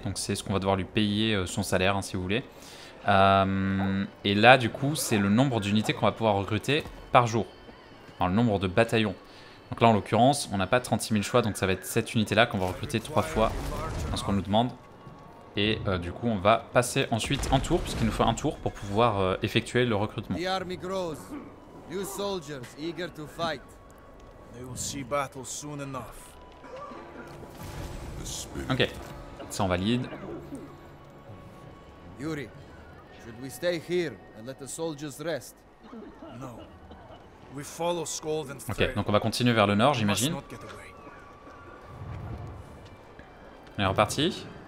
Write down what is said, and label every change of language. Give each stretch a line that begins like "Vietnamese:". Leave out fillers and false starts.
French: Donc c'est ce qu'on va devoir lui payer son salaire, hein, si vous voulez. Et là, du coup, c'est le nombre d'unités qu'on va pouvoir recruter par jour. Enfin, le nombre de bataillons. Donc là, en l'occurrence, on n'a pas 36 000 choix. Donc ça va être cette unité-là qu'on va recruter 3 fois dans ce qu'on nous demande. Et du coup, on va passer ensuite un tour, puisqu'il nous faut un tour pour pouvoir effectuer le recrutement. L'armée grandit.
English: New soldiers, eager to fight. They will see battle soon enough.
French: Ok, ça on valide.
English: Yuri, Should we stay here and let the soldiers rest? No. We follow Skald and Frey.
French: Ok, donc on va continuer vers le nord, j'imagine. On est reparti.